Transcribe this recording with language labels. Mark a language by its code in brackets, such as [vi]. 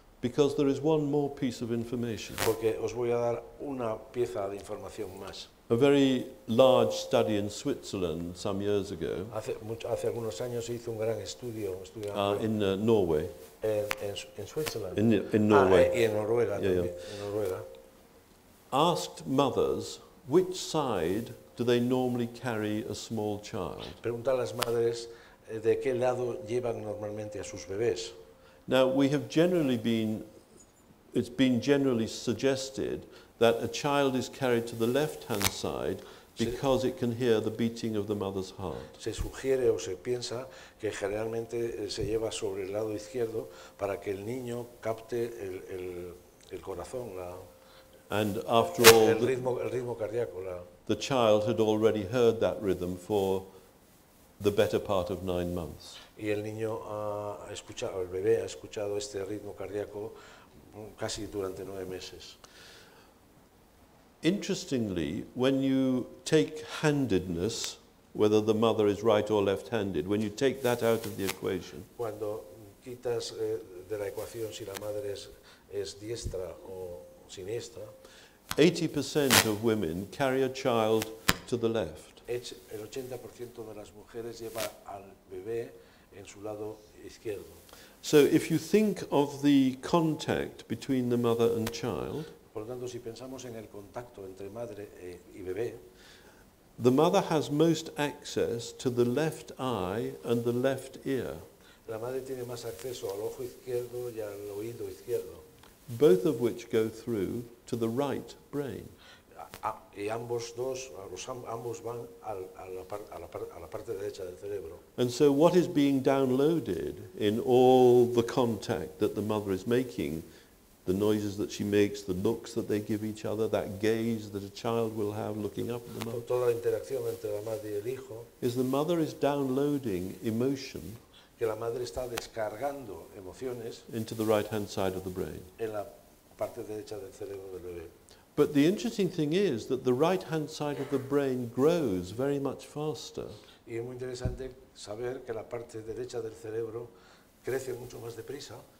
[en] Because there is one more piece of information. [es] Porque os voy a dar una pieza de información más. [en] A very large study in Switzerland some years ago. [es] Hace algunos años se hizo un gran estudio. [en] In Norway. [es] En Switzerland. [en] In Norway. [es] Y en Noruega también. En Noruega. [en] Asked mothers which side do they normally carry a small child. [es] Pregunta a las madres de qué lado llevan normalmente a sus bebés. [en] Now we have generally suggested that a child is carried to the left-hand side because it can hear the beating of the mother's heart. [es] Se sugiere o se piensa que generalmente se lleva sobre el lado izquierdo para que el niño capte el corazón, la [en] and after all, [es] el ritmo cardíaco. [en] The child had already heard that rhythm for the better part of 9 months. [es] Y el niño ha escuchado, el bebé ha escuchado este ritmo cardíaco casi durante 9 meses. [en] Interestingly, when you take handedness, whether the mother is right or left-handed, when you take that out of the equation, [es] cuando quitas de la ecuación si la madre es diestra o siniestra, [en] 80% of women carry a child to the left. [es] El 80% de las mujeres lleva al bebé en su lado izquierdo. [en] So if you think of the contact between the mother and child, [es] por lo tanto, si pensamos en el contacto entre madre y bebé, [en] the mother has most access to the left eye and the left ear. [es] La madre tiene más acceso al ojo izquierdo y al oído izquierdo. [en] Both of which go through to the right brain. [es] Y ambos dos, ambos van a la parte derecha del cerebro. [en] And so what is being downloaded in all the contact that the mother is making, the noises that she makes, the looks that they give each other, that gaze that a child will have looking up at the mother. [es] Toda la interacción entre la madre y el hijo. [en] Is the mother is downloading emotion. [es] Que la madre está descargando emociones. [en] Into the right-hand side of the brain. [es] En la parte derecha del cerebro del bebé. [en] But the interesting thing is that the right-hand side of the brain grows very much faster. [es] Y es muy interesante saber que la parte derecha del cerebro crece mucho más deprisa.